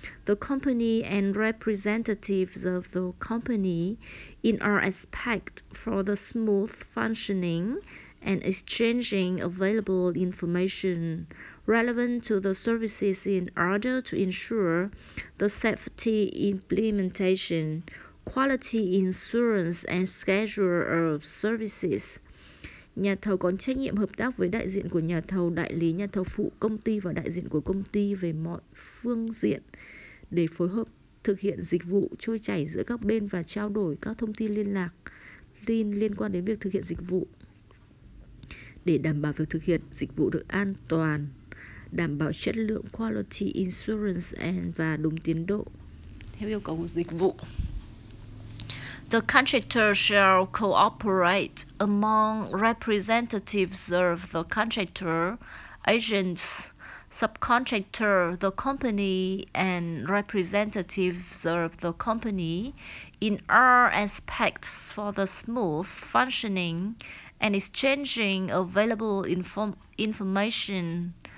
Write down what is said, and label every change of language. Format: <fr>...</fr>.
<en>the company and representatives of the company in our respect for the smooth functioning and exchanging available information relevant to the services in order to ensure the safety implementation, quality assurance and schedule of services.</en> <vi>Nhà thầu có trách nhiệm hợp tác với đại diện của nhà thầu, đại lý, nhà thầu phụ, công ty và đại diện của công ty về mọi phương diện để phối hợp thực hiện dịch vụ trôi chảy giữa các bên và trao đổi các thông tin liên lạc liên quan đến việc thực hiện dịch vụ để đảm bảo việc thực hiện dịch vụ được an toàn, đảm bảo chất lượng</vi> <en>quality assurance and</en> <vi>và đúng tiến độ theo yêu cầu dịch vụ.</vi> <en>The contractor shall cooperate among representatives of the contractor, agents, subcontractor, the company, and representatives of the company in all aspects for the smooth functioning and exchanging available information</en>